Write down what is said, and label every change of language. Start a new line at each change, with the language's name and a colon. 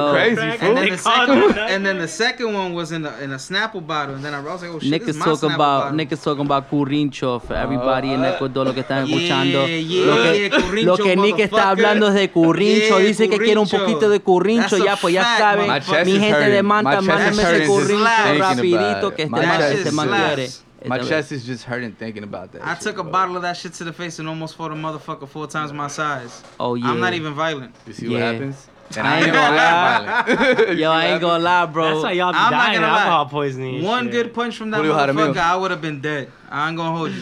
English: He's talking about, fuck, crazy, and then the second one was in a Snapple bottle. And then I was like, oh, shit, this is my Snapple bottle. Nick is talking about Currincho for everybody in Ecuador
Spanish: lo que están escuchando.
English: Yeah,
Spanish: lo que Nick está hablando es de Currincho.
English: Yeah,
Spanish: dice Currincho. Que quiere un poquito de Currincho. Ya, pues ya saben. Mi gente de Manta, mándame ese Currincho rapidito que este man quiere.
English: My chest is just hurting thinking about that. I took a bottle of that shit to the face and almost fought a motherfucker 4 times my size. Oh, yeah. I'm not even violent. You see what happens? And I ain't gonna lie. Yo, I ain't gonna lie, bro. That's why y'all be dying of alcohol poisoning. One good punch from that motherfucker, I would have been dead. I ain't gonna hold you.